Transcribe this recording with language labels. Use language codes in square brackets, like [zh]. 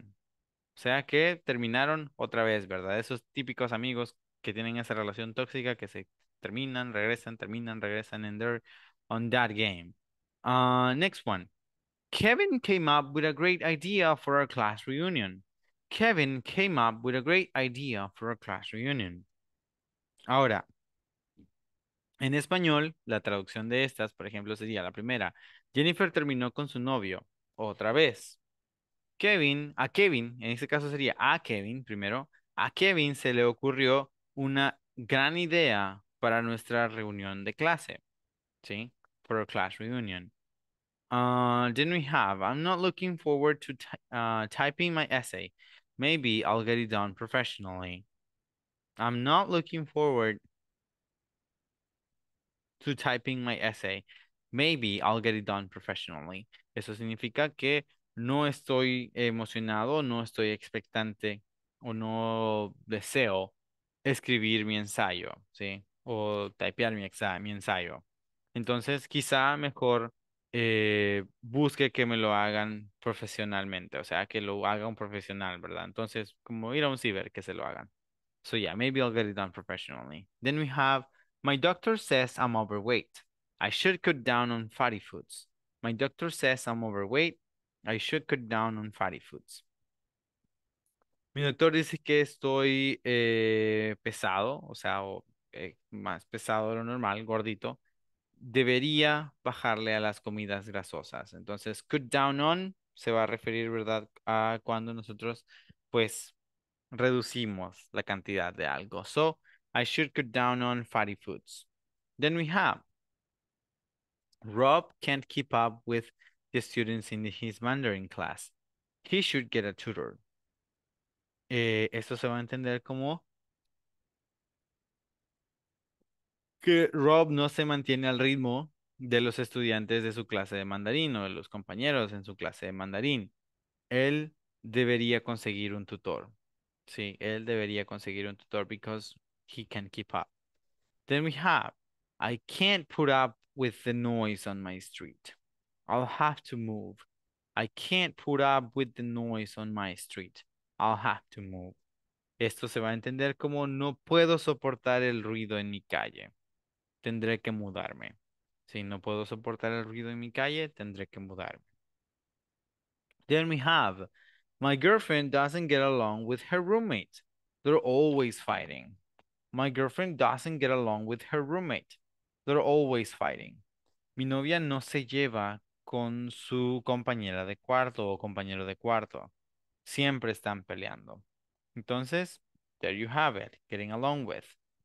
[es] O sea que terminaron otra vez, ¿verdad? Esos típicos amigos que tienen esa relación tóxica que se terminan, regresan, [en] and they're on that game. Next one. Kevin came up with a great idea for our class reunion. Kevin came up with a great idea for our class reunion. [es] Ahora, En español, la traducción de estas, por ejemplo, sería la primera. Jennifer terminó con su novio otra vez. Kevin, a Kevin, en este caso sería a Kevin primero. A Kevin se le ocurrió una gran idea para nuestra reunión de clase. ¿Sí? [en] For a class reunion. I'm not looking forward to typing my essay. Maybe I'll get it done professionally. I'm not looking forward to typing my essay. Maybe I'll get it done professionally. [es] Eso significa que no estoy emocionado, no estoy expectante o no deseo escribir mi ensayo, ¿sí? O typear mi ensayo. Entonces, quizá mejor busque que me lo hagan profesionalmente, o sea, que lo haga un profesional, ¿verdad? Entonces, como ir a un ciber, que se lo hagan. [en] So yeah, maybe I'll get it done professionally. Then we have, my doctor says I'm overweight. I should cut down on fatty foods. My doctor says I'm overweight. I should cut down on fatty foods. [es] Mi doctor dice que estoy pesado, o sea, o, más pesado de lo normal, gordito. Debería bajarle a las comidas grasosas. Entonces, cut down on se va a referir, ¿verdad?, a cuando nosotros, pues, reducimos la cantidad de algo. [en] So, I should cut down on fatty foods. Then we have, Rob can't keep up with the students in his Mandarin class. He should get a tutor. [es] Esto se va a entender como que Rob no se mantiene al ritmo de los estudiantes de su clase de mandarín o de los compañeros en su clase de mandarín. Él debería conseguir un tutor. Sí, él debería conseguir un tutor [en] because he can't keep up. Then we have, I can't put up with the noise on my street. I'll have to move. I can't put up with the noise on my street. I'll have to move. [es] Esto se va a entender como no puedo soportar el ruido en mi calle. Tendré que mudarme. Si no puedo soportar el ruido en mi calle, tendré que mudarme. [en] Then we have, my girlfriend doesn't get along with her roommate. They're always fighting. My girlfriend doesn't get along with her roommate. They're always fighting. [es] Mi novia no se lleva con su compañera de cuarto o compañero de cuarto. Siempre están peleando. Entonces, [en] there you have it, getting along with.